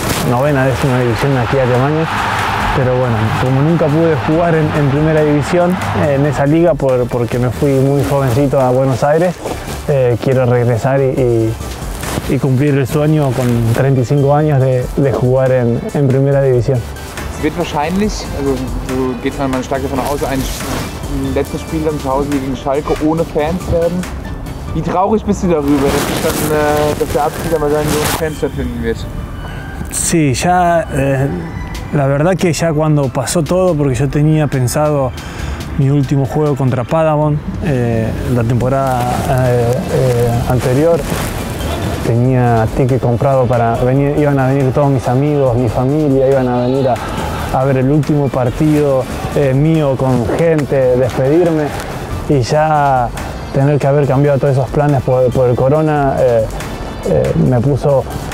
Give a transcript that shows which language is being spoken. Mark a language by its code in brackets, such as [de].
[es] Novena décima división aquí a Alemania, pero bueno, como nunca pude jugar en primera división en esa liga porque me fui muy jovencito a Buenos Aires, quiero regresar y cumplir el sueño con 35 años de jugar en primera división. [de] Wird wahrscheinlich, also so geht man stark davon aus, ein letztes Spiel dann zu Hause gegen Schalke ohne Fans werden. Wie traurig bist du darüber, dass der Abstieg aber dann nur Fans stattfinden wird? [es] Sí, ya la verdad que ya cuando pasó todo, porque yo tenía pensado mi último juego contra Padabon, la temporada anterior, tenía ticket comprado para venir, iban a venir todos mis amigos, mi familia, iban a venir a ver el último partido mío con gente, despedirme, y ya tener que haber cambiado todos esos planes por el corona me puso...